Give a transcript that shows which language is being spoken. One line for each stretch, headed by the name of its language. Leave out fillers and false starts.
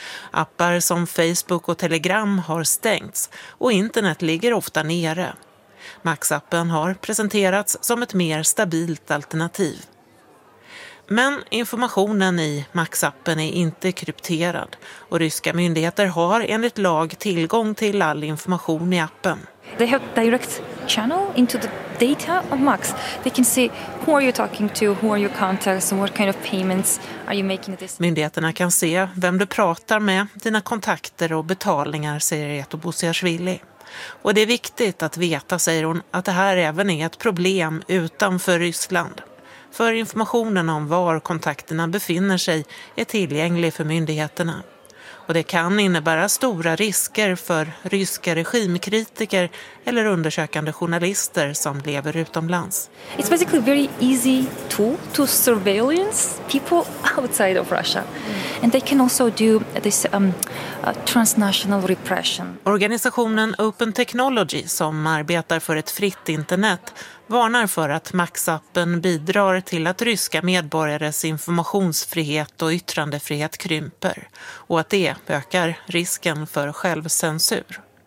Swedish: Appar som Facebook och Telegram har stängts och internet ligger ofta nere. Max-appen har presenterats som ett mer stabilt alternativ. Men informationen i Max-appen är inte krypterad och ryska myndigheter har enligt lag tillgång till all information i appen.
English: They have direct channel into the data of Max. They can see who are you talking to, who are your contacts and what kind of payments are you making this.
Swedish: Myndigheterna kan se vem du pratar med, dina kontakter och betalningar, säger Eto Bosiashvili. Och det är viktigt att veta, säger hon, att det här även är ett problem utanför Ryssland. För informationen om var kontakterna befinner sig är tillgänglig för myndigheterna. Och det kan innebära stora risker för ryska regimkritiker eller undersökande journalister som lever utomlands.
English: It's basically a very easy tool to surveillance people outside of Russia. And they can also do this transnational repression.
Swedish: Organisationen Open Technology, som arbetar för ett fritt internet, varnar för att Max-appen bidrar till att ryska medborgares informationsfrihet och yttrandefrihet krymper och att det ökar risken för självcensur.